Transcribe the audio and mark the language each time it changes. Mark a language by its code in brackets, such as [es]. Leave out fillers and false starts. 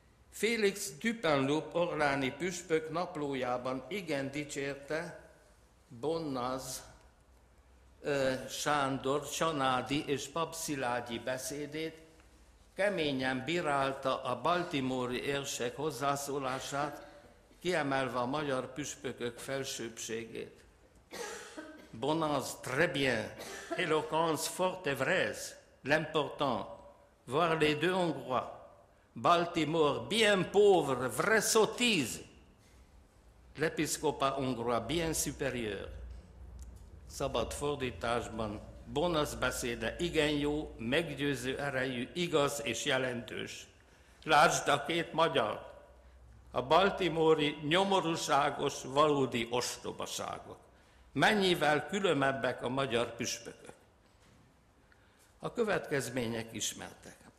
[hu] Félix Dupin-Loup orléani püspök naplójában igen dicsérte Bonnaz Sándor, Csanádi és pap Szilágyi beszédét, keményen bírálta a baltimóri érsek hozzászólását, kiemelve a magyar püspökök felsőbbségét. [fr] Bonaz, très bien, éloquence forte vraise, l'important, voir les deux hongrois, Baltimore, bien pauvre, vraie sottise, l'épiscopat hongrois, bien supérieur. [hu] Szabad fordításban, Bonaz beszéde igen jó, meggyőző erejű, igaz és jelentős. Lásd a két magyar, a baltimóri nyomorúságos, valódi ostobaságok. Mennyivel különbek a magyar püspökök? A következmények ismertek.